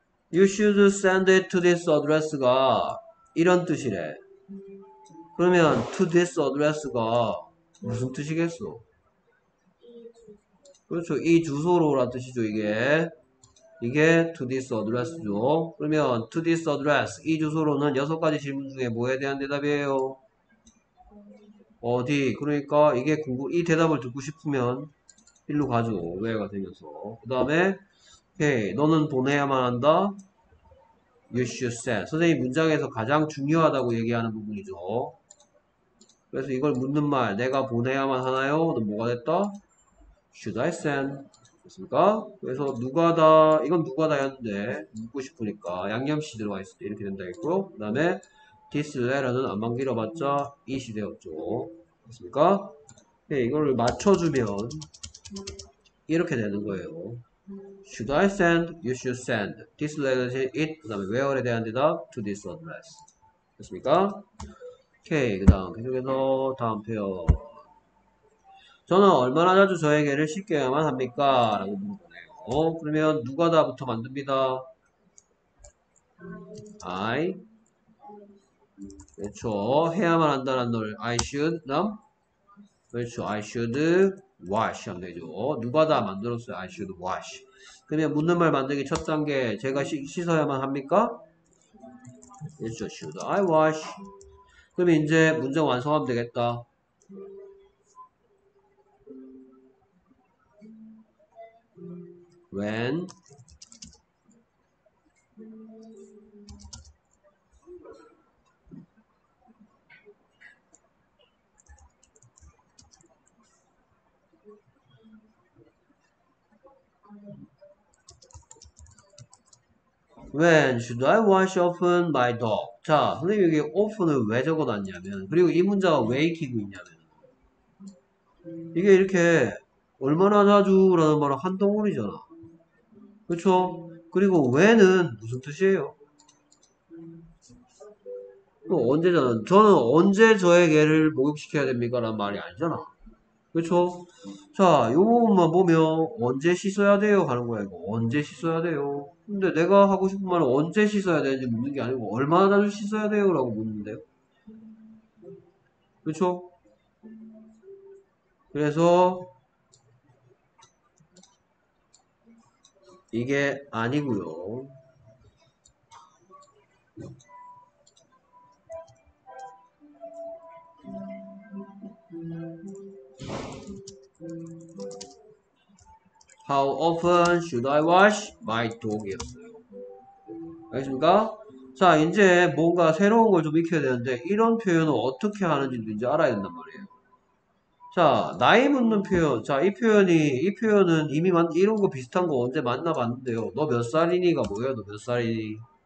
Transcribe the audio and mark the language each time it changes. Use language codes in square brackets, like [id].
[en] You should send it to this address가 [ko] 이런 뜻이래. 그러면 [en] to this address [ko] 가 무슨 뜻이겠어? 그렇죠. 이 주소로란 뜻이죠, 이게. 이게 [en] to this address [ko] 죠. 그러면 [en] to this address, [ko] 이 주소로는 여섯 가지 질문 중에 뭐에 대한 대답이에요? 어디? 그러니까 이게 궁금, 이 대답을 듣고 싶으면 일로 가죠. where가 되면서. 그 다음에, 오케이. 너는 보내야만 한다. [en] You should send. [ko] 선생님 문장에서 가장 중요하다고 얘기하는 부분이죠. 그래서 이걸 묻는 말, 내가 보내야만 하나요? 너 뭐가 됐다? [en] Should I send? [ko] 됐습니까? 그래서 누가다, 이건 누가다였는데 묻고 싶으니까 양념씨 들어가 있을 때 이렇게 된다 했고, 그 다음에 this letter는 안만 길어봤자 it이 되었죠. 됐습니까? 네, 이걸 맞춰주면 이렇게 되는 거예요. [en] Should I send? You should send. [ko] This letter는 it, 그 다음에 where에 대한 대답 [en] to this address. [ko] 됐습니까? 오케이, 그 다음 계속해서 다음 표현. 저는 얼마나 자주 저에게를 씻겨야만 합니까? 라고 물어보네요. 그러면 누가다부터 만듭니다. I. 그렇죠. 해야만 한다는 걸 [en] I should. [ko] 다음. 그렇죠. [en] I should wash [ko] 하면 되죠. [en] 누가다 만들었어요. I should wash. [ko] 그러면 묻는 말 만들기 첫 단계. 제가 씻어야만 합니까? 그렇죠. [en] Should I wash? [ko] 그럼 이제 문장 완성하면 되겠다. [en] When should I wash often my dog? [ko] 자, 선생님 여기 often을 왜 적어놨냐면, 그리고 이 문장은 왜 익히고 있냐면, 이게 이렇게 얼마나 자주라는 말은 한 덩어리잖아. 그렇죠? 그리고 when은 무슨 뜻이에요? 언제잖아. 저는 언제 저의 개를 목욕시켜야 됩니까? 라는 말이 아니잖아. 그렇죠? 자, 이 부분만 보면 언제 씻어야 돼요? 하는 거야. 이거 언제 씻어야 돼요? 근데 내가 하고 싶은 말은 언제 씻어야 되는지 묻는 게 아니고 얼마나 자주 씻어야 돼요? 라고 묻는데요. 그렇죠? 그래서 이게 아니고요. [en] How often should I wash my dog이었어요. [ko] 알겠습니까? 자, 이제 뭔가 새로운 걸좀 익혀야 되는데 이런 표현을 어떻게 하는지도 이제 알아야 된단 말이에요. 자, 나이 묻는 표현. 자, 이 표현은 이미 이런 거 비슷한 거 언제 만나봤는데요. 너몇 살이니가 뭐예요? 너몇 살이니?